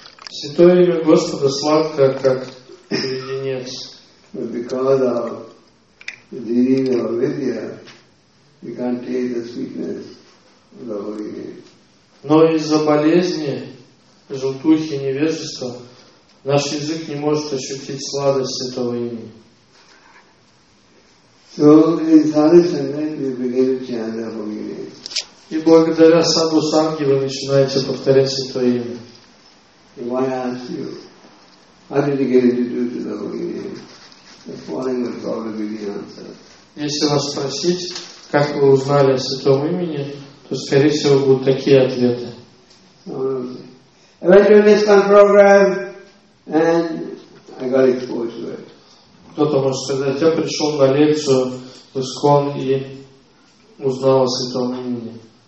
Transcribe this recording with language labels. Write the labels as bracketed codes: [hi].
[ru] Святое имя Господа сладко, как леденец. [en] But because of the disease of avidya, we can't taste the sweetness of the holy name. [ru] Но из-за болезни, желтухи, невежества, наш язык не может ощутить сладость святого имени. [en] So in Sadhu Sangha, you begin to chant the holy name. [ru] И благодаря Саду Санги вы начинаете повторять святое имя. [en] So why ask you? How did you get introduced to the holy name? The following would probably be the answer. [ru] Если вас спросить, как вы узнали о святом имени, то скорее всего будут такие ответы. [en] I went to a MISKCON program and I got exposed to it. [ru] Кто-то может сказать, я пришел на лекцию в ИСКОН и узнал о святом имени.